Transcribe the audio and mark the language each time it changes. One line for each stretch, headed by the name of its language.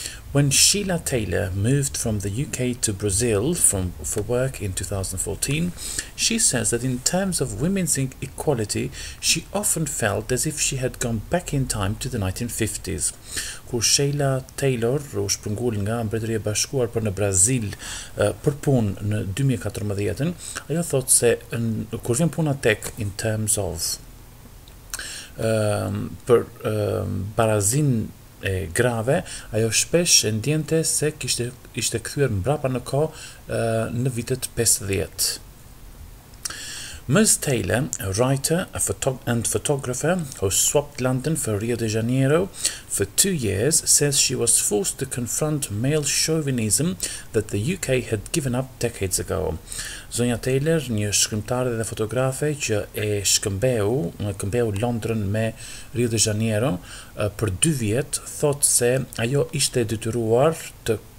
English: When Sheila Taylor moved from the UK to Brazil for work in 2014, she says that in terms of women's equality, she often felt as if she had gone back in time to the 1950s.
Albanian: Kur Sheila Taylor u shpëngul nga Mbretëria e Bashkuar për në Brazil për punë në 2014, ajo thot se kur vjen puna tek in terms of për barazin e grave, ajo shpesh e ndjente se ishte kthyer mbrapa në kohë në vitet 50.
English: Ms. Taylor, a writer and photographer who swapped London for Rio de Janeiro for 2 years, says she was forced to confront male chauvinism that the UK had given up decades ago.
Albanian: Zonja Taylor, një shkrimtare dhe fotografe që e shkëmbeu Londrën me Rio de Janeiro për 2 vjet, thot se ajo ishte detyruar të